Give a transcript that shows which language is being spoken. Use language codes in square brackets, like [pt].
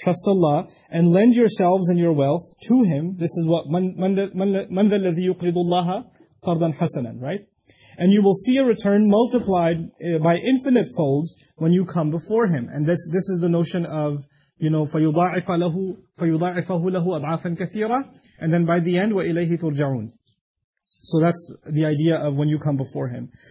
[en] Trust Allah and lend yourselves and your wealth to Him. This is what [ar] مَنْ ذَا الَّذِي يُقْرِضُ اللَّهَ قَرْضًا حَسَنًا. [en] Right? And you will see a return multiplied by infinite folds when you come before Him. And this is the notion of, you know, [ar] فَيُضَاعِفَهُ لَهُ أَضْعَافًا كَثِيرًا. [en] And then by the end, [ar] وَإِلَيْهِ تُرْجَعُونَ. [en] So that's the idea of when you come before Him.